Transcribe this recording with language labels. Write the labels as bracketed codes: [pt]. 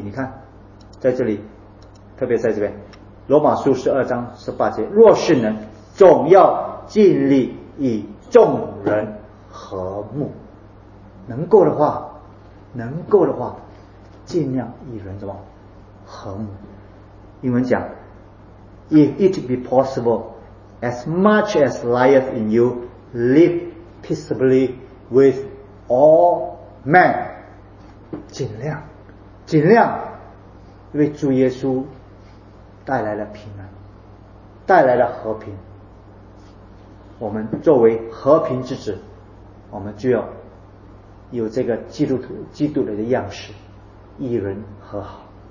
[zh] 你看在这里，特别在这边罗马书十二章十八节，若是能，总要尽力与众人和睦。能够的话尽量与人什么和睦。英文讲 [en] If it be possible, as much as lieth in you, live peaceably with all men. [zh] 尽量，因为主耶稣带来了平安，带来了和平。我们作为和平之子，我们就要有这个基督的样式，与人和好。